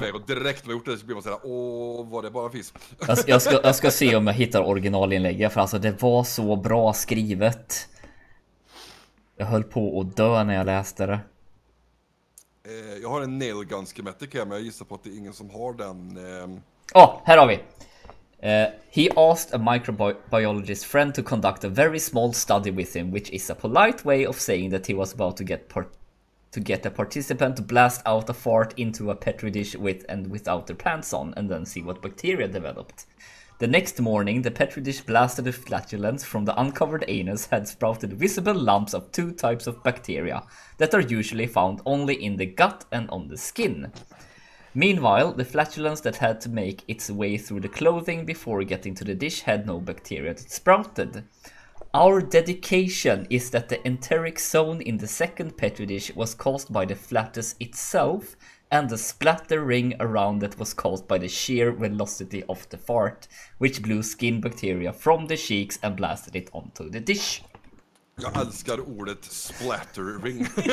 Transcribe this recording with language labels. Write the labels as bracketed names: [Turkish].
[Swedish] Och direkt när jag gjort det så blir man såhär, åh, var det bara fisk? Jag ska se om jag hittar originalinlägget. För alltså, det var så bra skrivet. Jag höll på att dö när jag läste det. Jag har en nail gun schematic här, men jag gissar på att det är ingen som har den. Här har vi. [English] He asked a microbiologist friend to conduct a very small study with him, which is a polite way of saying that he was about to get a participant to blast out a fart into a petri dish with and without their pants on, and then see what bacteria developed. The next morning, the petri dish blasted with flatulence from the uncovered anus had sprouted visible lumps of two types of bacteria that are usually found only in the gut and on the skin. Meanwhile, the flatulence that had to make its way through the clothing before getting to the dish had no bacteria that sprouted. Our dedication is that the enteric zone in the second petri dish was caused by the flatus itself, and the splatter ring around it was caused by the sheer velocity of the fart, which blew skin bacteria from the cheeks and blasted it onto the dish. [Swedish] Jag älskar ordet splatter ring.